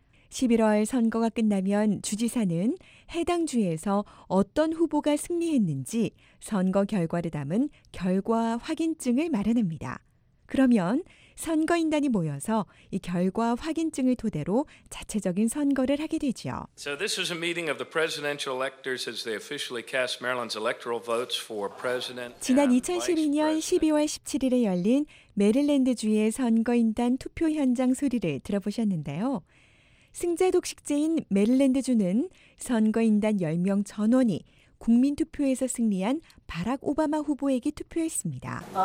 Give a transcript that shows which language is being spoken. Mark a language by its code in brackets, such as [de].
[ko] 11월 선거가 끝나면 주지사는 해당 주에서 어떤 후보가 승리했는지 선거 결과를 담은 결과 확인증을 마련합니다. 그러면 선거인단이 모여서 이 결과 확인증을 토대로 자체적인 선거를 하게 되죠. [en] So this is a meeting of the presidential electors as they officially cast Maryland's electoral votes for president. [ko] 지난 2012년 12월 17일에 열린 메릴랜드 주의 선거인단 투표 현장 소리를 들어보셨는데요. 승자 독식제인 메릴랜드 주는 선거인단 10명 전원이 국민 투표에서 승리한 바락 오바마 후보에게 투표했습니다.